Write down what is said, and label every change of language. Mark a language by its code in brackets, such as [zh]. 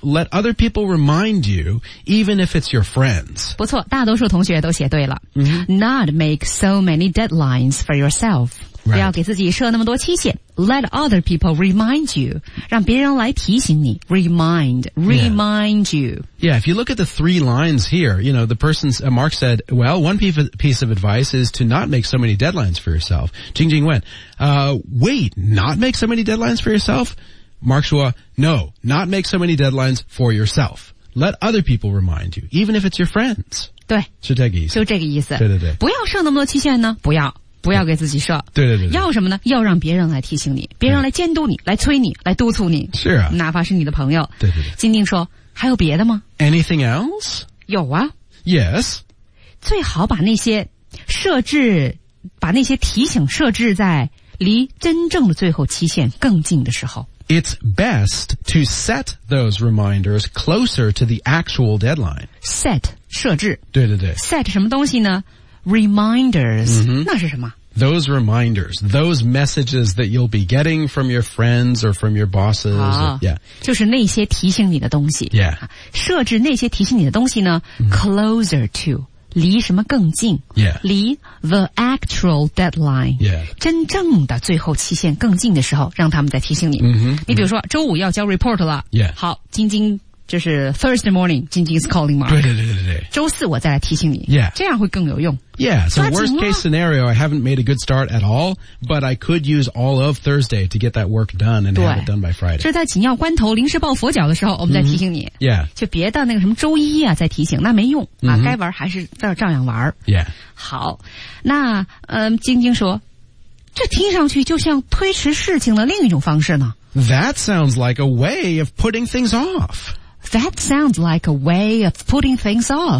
[en] Let other people remind you, even if it's your friends. [zh] 不错，大多数同学都写对了。 Mm-hmm. [en] Not make so many deadlines for yourself. Right. [zh] 不要给自己设那么多期限。 [en] Let other people remind you. [zh] 让别人来提醒你。 [en] Remind you. Yeah, if you look at the three lines here, you know, Mark said, well, one piece of advice is to not make so many deadlines for yourself. Jingjing went, not make so many deadlines for yourself? Mark Shua, no, not make so many deadlines for yourself. Let other people remind you, even if it's your friends. [zh] 对，是这个意思，就这个意思。对对对，不要设那么多期限呢，不要给自己设。对对 对, 对，要什么呢？要让别人来提醒你，别人来监督你，来催你，来督促你。是啊，哪怕是你的朋友。对对对，金定说，还有别的吗 [en] ？Anything else？ [zh] 有啊。 [en] Yes。 [zh] 最好把那些设置，把那些提醒设置在。离真正的最后期限更近的时候。 [en] It's best to set those reminders closer to the actual deadline. Set, 设置。 [zh] 对对对。 Set 什么东西呢 ?Reminders,、 mm-hmm. 那是什么 [en] ?Those reminders, those messages that you'll be getting from your friends or from your bosses.、Yeah. [zh] 就是那些提醒你的东西。 [en] Yeah. [zh] 设置那些提醒你的东西呢、mm-hmm. ? [en] Closer to. [zh] 离什么更近、 [en] yeah. [zh] 离 [en] the actual deadline、 yeah. [zh] 真正的最后期限更近的时候让他们再提醒你、 mm-hmm. 你比如说、mm-hmm. 周五要交 report 了、 [en] yeah. [zh] 好晶晶就是 [en] Thursday morning 晶晶 is calling Mark [zh] 对对对对对周四我再来提醒你、 [en] yeah. [zh] 这样会更有用 [en] Yeah, so worst case scenario I haven't made a good start at all but I could use all of Thursday to get that work done and have it done by Friday [zh] 就在紧要关头临时抱佛脚的时候我们再提醒你、 [en] mm-hmm. yeah. [zh] 就别到那个什么周一啊再提醒那没用、啊 mm-hmm. 该玩还是在照样玩、 [en] yeah. [zh] 好那晶晶说这听上去就像推迟事情的另一种方式呢 [en] That sounds like a way of putting things off That sounds like a way of putting things off.、